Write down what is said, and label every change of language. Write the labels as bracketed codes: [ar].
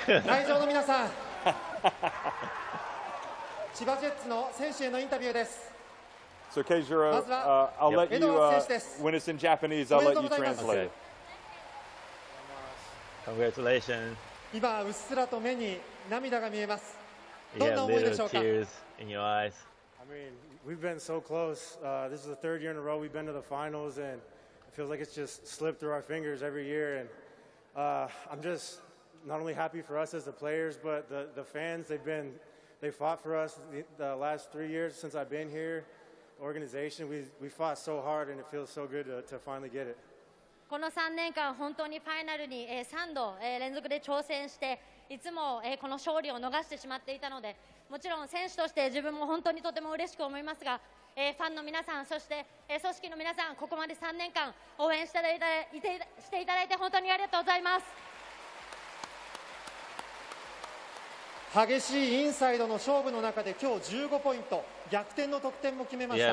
[ja] 会場の皆さん、 千葉 ジェッツの選手へのインタビューです。 [en] So Keijiro, I'll let you, when it's in Japanese, I'll let you translate. Congratulations. [ja] 今うっすらと目に涙が見えます。 [en] Yeah, little tears in your eyes. I mean, we've been so close. This is the third year in a row we've been to the finals, and it feels like it's just slipped through our fingers every year. And I'm just not only happy for us as the players, but the fans. They fought for us the last 3 years since I've been here. Organization, we fought so hard, and it feels so good to finally get it. [ja] この 3年間 本当にファイナルに 3度連続で挑戦して いつも、この勝利を逃してしまっていたので、もちろん選手として、自分も本当にとても嬉しく思いますが、ファンの皆さん、そして、組織の皆さん、ここまで3年間応援していただいて、本当にありがとうございます。激しいインサイドの勝負の中で、今日15ポイント、逆転の得点も決めました。